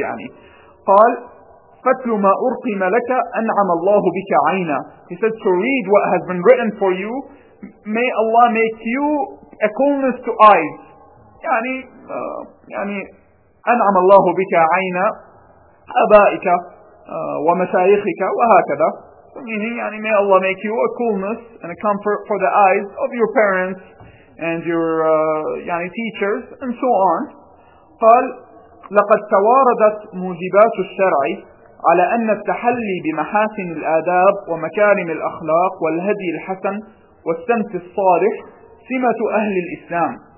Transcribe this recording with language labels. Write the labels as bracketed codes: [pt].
[ar] يعني قال فَتْلُ مَا أُرْقِمَ لَكَ أَنْعَمَ اللَّهُ بِكَ عَيْنَا. [en] He said, to read what has been written for you, may Allah make you a coolness to eyes. [ar] يعني أَنْعَمَ اللَّهُ بِكَ عَيْنَا أَبَائِكَ وَمَشَايِخِكَ وَهَكَذَا. [en] يعني may Allah make you a coolness and a comfort for the eyes of your parents and your يعني teachers and so on. [ar] قال لقد تواردت موجبات الشرع على أن التحلي بمحاسن الآداب ومكارم الأخلاق والهدي الحسن والسمت الصالح سمة أهل الإسلام.